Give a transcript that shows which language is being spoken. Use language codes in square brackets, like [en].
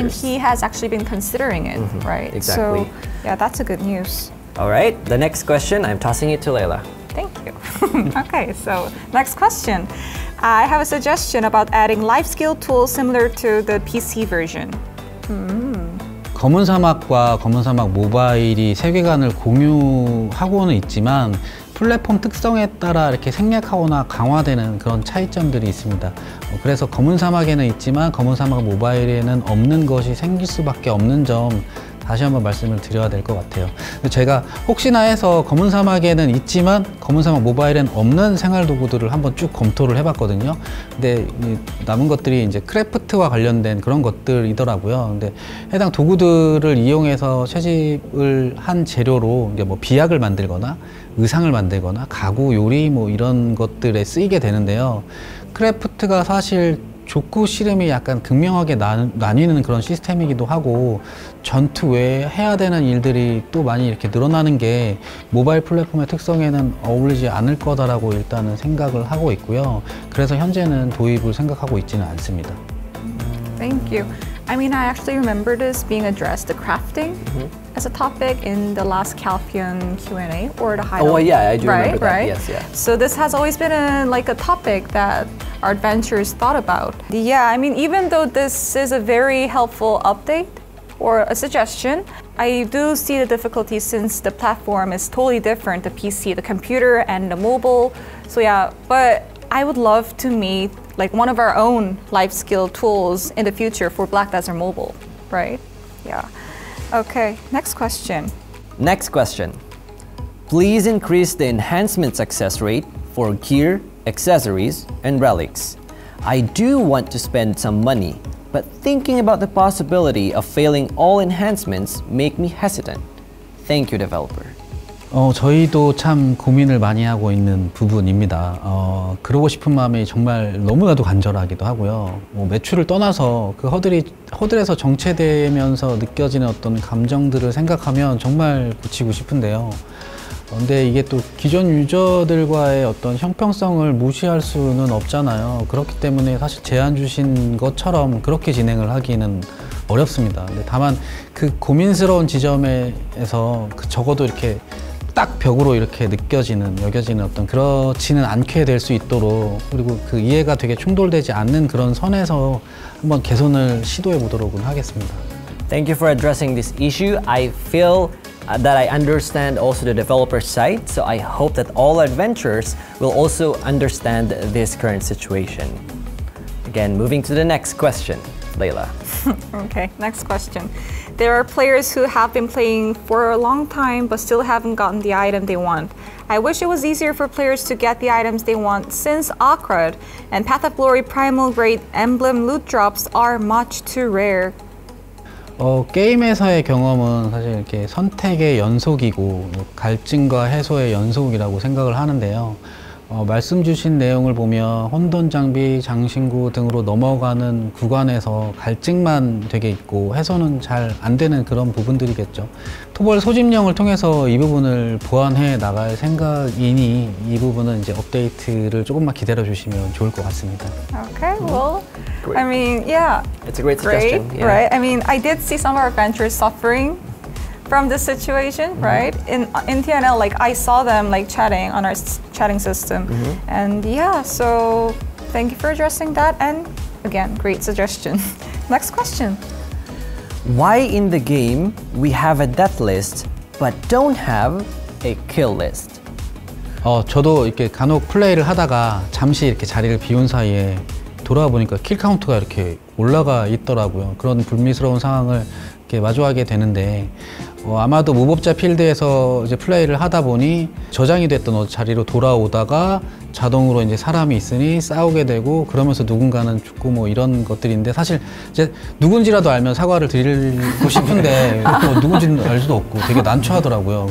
[en] And he has actually been considering it, mm-hmm. right? Exactly. So yeah, that's a good news. All right, the next question, I'm tossing it to Layla. Thank you. Okay, so next question. I have a suggestion about adding life skill tools similar to the PC version. [ko] 검은 사막과 검은 사막 모바일이 세계관을 공유하고는 있지만 플랫폼 특성에 따라 이렇게 생략하거나 강화되는 그런 차이점들이 있습니다. 그래서 검은 사막에는 있지만 검은 사막 모바일에는 없는 것이 생길 수밖에 없는 점 다시 한번 말씀을 드려야 될 것 같아요. 제가 혹시나 해서 검은 사막에는 있지만 검은 사막 모바일엔 없는 생활 도구들을 한번 쭉 검토를 해봤거든요. 근데 남은 것들이 이제 크래프트와 관련된 그런 것들이더라고요. 근데 해당 도구들을 이용해서 채집을 한 재료로 이제 뭐 비약을 만들거나 의상을 만들거나 가구, 요리 뭐 이런 것들에 쓰이게 되는데요. 크래프트가 사실 좋고 싫음이 약간 극명하게 나뉘는 그런 시스템이기도 하고 전투 외에 해야 되는 일들이 또 많이 이렇게 늘어나는 게 모바일 플랫폼의 특성에는 어울리지 않을 거다라고 일단은 생각을 하고 있고요. 그래서 현재는 도입을 생각하고 있지는 않습니다. [en] Thank you. I mean, I actually remember this being addressed, the crafting, as a topic in the last Calpheon Q&A or the Heidel. Oh, yeah, I do remember that. Yes, yeah. So this has always been a topic that our adventurers thought about. Yeah, I mean, even though this is a very helpful update or a suggestion, I do see the difficulty since the platform is totally different, the PC, the computer, and the mobile. So yeah, but I would love to meet like one of our own life skill tools in the future for Black Desert Mobile, right? Yeah. Okay, next question. Next question. Please increase the enhancement success rate for gear, accessories, and relics. I do want to spend some money, but thinking about the possibility of failing all enhancements make me hesitant. Thank you, developer. [ko] 저희도 참 고민을 많이 하고 있는 부분입니다. 그러고 싶은 마음이 정말 너무나도 간절하기도 하고요. 뭐 매출을 떠나서 그 허들에서 정체되면서 느껴지는 어떤 감정들을 생각하면 정말 고치고 싶은데요. 근데 이게 또 기존 유저들과의 어떤 형평성을 무시할 수는 없잖아요. 그렇기 때문에 사실 제안 주신 것처럼 그렇게 진행을 하기는 어렵습니다. 근데 다만 그 고민스러운 지점에서 적어도 이렇게 딱 벽으로 이렇게 여겨지는 어떤 그렇지는 않게 될 수 있도록 그리고 그 이해가 되게 충돌되지 않는 그런 선에서 한번 개선을 시도해 보도록은 하겠습니다. [en] Thank you for addressing this issue. I feel that I understand also the developer's side, so I hope that all adventurers will also understand this current situation. Again, moving to the next question, Layla. Okay, next question. There are players who have been playing for a long time but still haven't gotten the item they want. I wish it was easier for players to get the items they want since Akrad and Path of Glory Primal Grade Emblem loot drops are much too rare. [ko] 게임에서의 경험은 사실 이렇게 선택의 연속이고 갈증과 해소의 연속이라고 생각을 하는데요. 말씀 주신 내용을 보면 혼돈 장비, 장신구 등으로 넘어가는 구간에서 갈증만 되게 있고 해소는 잘 안 되는 그런 부분들이겠죠. 토벌 소집령을 통해서 이 부분을 보완해 나갈 생각이니 이 부분은 이제 업데이트를 조금만 기다려 주시면 좋을 것 같습니다. [en] Okay, well, I mean, yeah. It's a great suggestion. Great, right? I mean, I did see some of our adventurers suffering from this situation, mm-hmm. right? In TNL, like I saw them like chatting on our chatting system. Mm-hmm. And yeah, so thank you for addressing that. And again, great suggestion. Next question. Why in the game we have a death list but don't have a kill list? [ko] 저도 이렇게 간혹 플레이를 하다가 잠시 이렇게 자리를 비운 사이에 돌아보니까 킬 카운트가 이렇게 올라가 있더라고요. 그런 불미스러운 상황을 이렇게 마주하게 되는데 아마도 무법자 필드에서 이제 플레이를 하다 보니 저장이 됐던 자리로 돌아오다가 자동으로 이제 사람이 있으니 싸우게 되고 그러면서 누군가는 죽고 뭐 이런 것들인데 사실 이제 누군지라도 알면 사과를 드리고 싶은데 누군지는 알 수도 없고 되게 난처하더라고요.